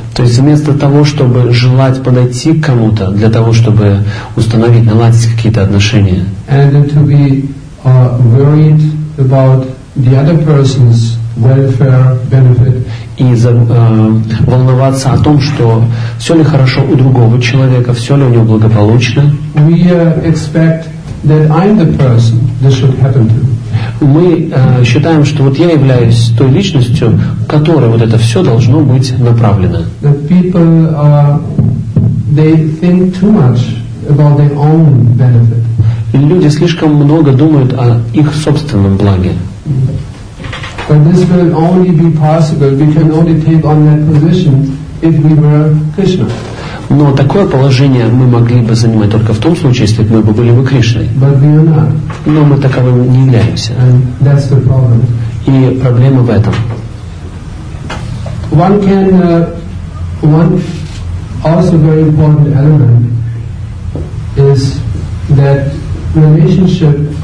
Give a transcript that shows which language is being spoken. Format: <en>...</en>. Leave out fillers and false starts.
<ru>То есть вместо того, чтобы желать подойти к кому-то для того, чтобы установить, наладить какие-то отношения.</ru> <en>And to be worried about the other person's welfare, benefit.</en> <ru>И волноваться о том, что все ли хорошо у другого человека, все ли у него благополучно.</ru> <en>We expect that I'm the person this should happen to.</en> <ru>Мы считаем, что вот я являюсь той личностью, которой вот это все должно быть направлено.</ru> <en>The people, they think too much about their own benefit.</en> <ru>Люди слишком много думают о их собственном благе.</ru> <en>But this will only be possible. We can only take on that position if we were Krishna.</en> <ru>Но такое положение мы могли бы занимать только в том случае, если бы мы были бы Кришной.</ru> <en>But we are not.</en> <ru>Но мы таковым не являемся.</ru> <en>And that's the problem.</en> <ru>И проблема в этом.</ru> <en>One can, one also very important element is that relationship</en>